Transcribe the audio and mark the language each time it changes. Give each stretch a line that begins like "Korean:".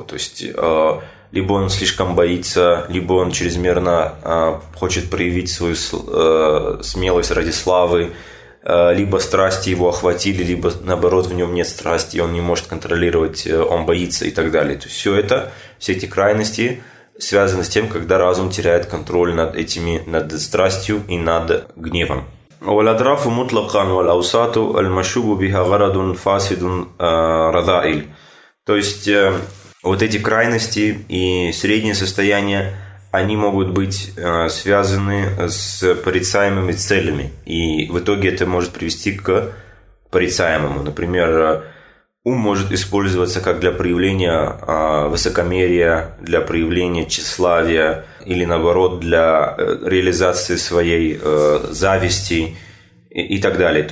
Russian: То есть либо он слишком боится, либо он чрезмерно хочет проявить свою смелость ради славы, либо страсти его охватили, либо наоборот в нем нет страсти, он не может контролировать, он боится и так далее. То есть все это, все эти крайности связаны с тем, когда разум теряет контроль над этими, над страстью и над гневом.
Arabic: والأدراف مطلقا والأوساط المشوب بها غرض فاسد رذائل.
Russian: То есть вот эти крайности и средние состояния, они могут быть связаны с порицаемыми целями, и в итоге это может привести к порицаемому. Например, ум может использоваться как для проявления высокомерия, для проявления тщеславия или наоборот для реализации своей зависти и так далее.